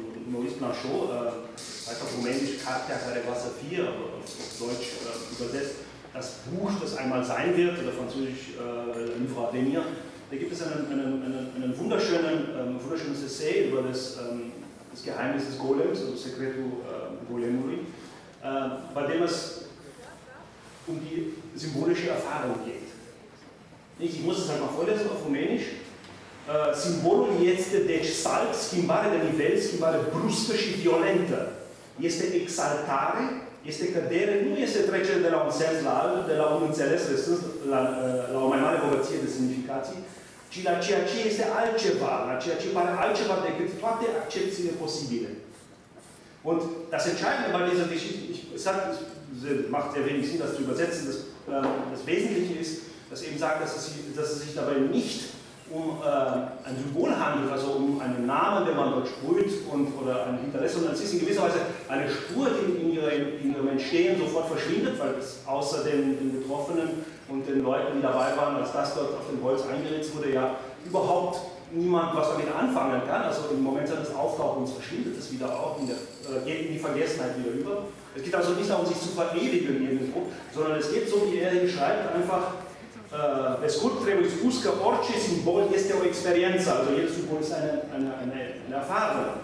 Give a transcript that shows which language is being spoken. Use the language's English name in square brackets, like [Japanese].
[German] Maurice Blanchot, heißt auf Rumänisch Cartea care va sa fi, aber auf Deutsch übersetzt, das Buch, das einmal sein wird, oder Französisch Livre à venir, da gibt es einen wunderschönen, wunderschönes Essay über das Geheimnis des Golems, also Secreto Golemuri, bei dem es um die symbolische Erfahrung geht. Ich muss es einmal vorlesen auf Rumänisch. [Romanian] Simbolul este deci salt, schimbare de nivel, schimbare bruscă și violentă. Este exaltare, este cădere, nu este trecere de la un sens la altul, de la un înțeles restrâns la o mai mare bogăție de semnificații, ci la ceea ce este altceva, la ceea ce pare altceva decât toate accepțiile posibile. [German] Und das Entscheidende bei dieser Geschichte, es macht sehr wenig Sinn, das zu übersetzen, das Wesentliche ist, dass eben sagt, dass es sich dabei nicht um ein Symbol handelt, also um einen Namen, den man dort sprüht oder ein Interesse. Und es ist in gewisser Weise eine Spur, die in ihrem Entstehen sofort verschwindet, weil es außer den Betroffenen und den Leuten, die dabei waren, als das dort auf dem Holz eingeritzt wurde, ja überhaupt niemand was damit anfangen kann. Also im Moment seines Auftauchens verschwindet es wieder auch, geht in die Vergessenheit wieder über. Es geht also nicht darum, sich zu verewigen irgendwo, sondern es geht so, wie er hier schreibt, einfach [Romanian] pe scurt, trebuie spus că orice simbol este o experiență, adică el supunează în afară.